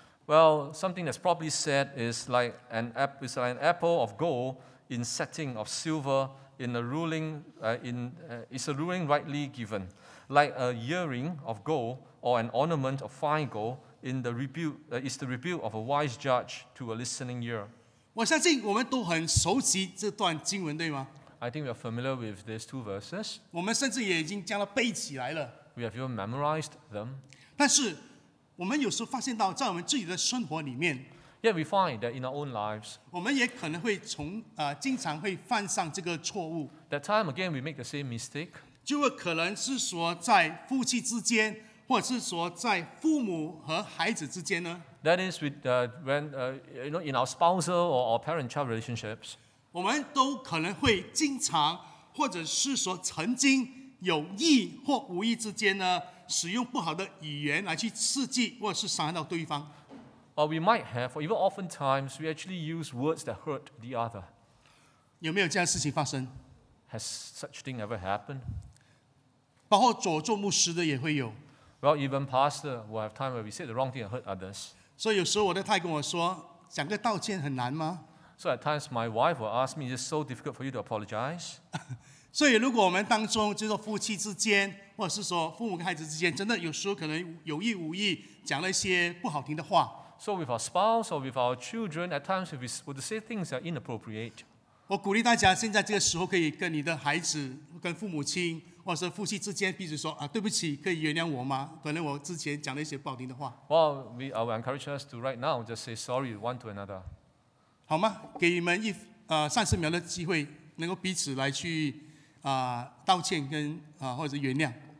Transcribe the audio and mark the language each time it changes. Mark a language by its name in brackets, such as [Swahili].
[English] Well, something that's probably said is like an apple of gold in setting of silver in a ruling is a ruling rightly given, like a earring of gold or an ornament of fine gold in the rebuke is the rebuke of a wise judge to a listening ear. [Chinese] 我相信我们都很熟悉这段经文，对吗？ [English] I think we are familiar with these two verses. [Chinese] 我们甚至也已经将它背起来了。 [English] We have even memorized them. [Chinese] 但是 我们有时候发现到，在我们自己的生活里面， [English] yet we find that in our own lives， [Chinese] 我们也可能会从 经常会犯上这个错误。 [English] That time again we make the same mistake， [Chinese] 就可能是说在夫妻之间， 或者是说在父母和孩子之间呢？ [English] That is with when you know in our spousal or our parent-child relationships， [Chinese] 我们都可能会经常，或者是说曾经有意或无意之间呢， 使用不好的语言来去刺激或是伤害到对方。 [English] Or we might have, or even oftentimes, we actually use words that hurt the other. [Chinese] 有没有这样的事情发生？ [English] Has such thing ever happened? [Chinese] 包括左座牧师的也会有。 [English] Well, even pastor will have time where we say the wrong thing and hurt others. [Chinese] 所以有时候我的太太跟我说，讲个道歉很难吗？ [English] So at times my wife will ask me, is it so difficult for you to apologize? [Chinese] 所以如果我们当中就是夫妻之间，或者是说父母跟孩子之间，真的有时候可能有意无意讲了一些不好听的话。 [English] So with our spouse or with our children, at times we would say things that are inappropriate. [Chinese] 我鼓励大家现在这个时候可以跟你的孩子、跟父母亲，或者是夫妻之间彼此说啊，对不起，可以原谅我吗？可能我之前讲了一些不好听的话。 [English] Well, we are encouraged us to right now just say sorry one to another. [Chinese] 好吗？给你们30秒的机会。能够彼此来去道歉跟或者原谅。